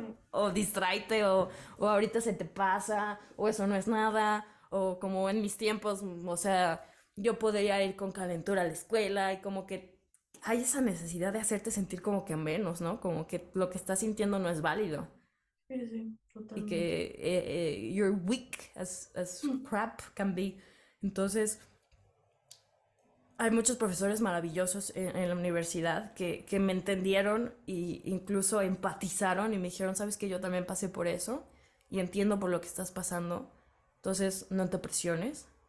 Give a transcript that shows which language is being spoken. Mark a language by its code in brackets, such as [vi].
[es] O distráete, o ahorita se te pasa, o eso no es nada, o como en mis tiempos, o sea, yo podría ir con calentura a la escuela, y como que hay esa necesidad de hacerte sentir como que menos, ¿no? Como que lo que estás sintiendo no es válido. Sí, Y totalmente. que [en] you're weak as crap can be. [es] Entonces, hay muchos profesores maravillosos en la universidad que me entendieron e incluso empatizaron y me dijeron, sabes que yo también pasé por eso y entiendo por lo que estás pasando, entonces no te presiones.